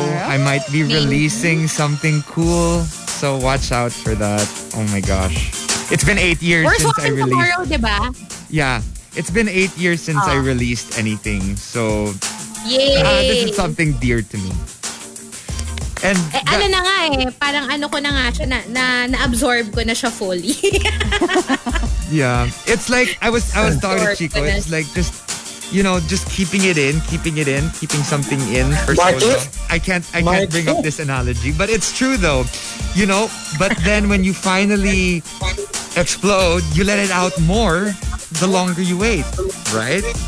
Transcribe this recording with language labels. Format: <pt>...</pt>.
<en>I might be releasing something cool. So watch out for that. Oh my gosh. It's been 8 years It's been 8 years since I released anything. So, yay. This is something dear to me. And</en> <tl>ano na nga eh, parang ano ko na nga siya na-absorb ko na siya fully.</tl> <en>Yeah, it's like I was talking to Chico. It's like just, you know, just keeping something in for so long. I can't bring up this analogy, but it's true though, you know. But then when you finally explode, you let it out more the longer you wait, right?</en>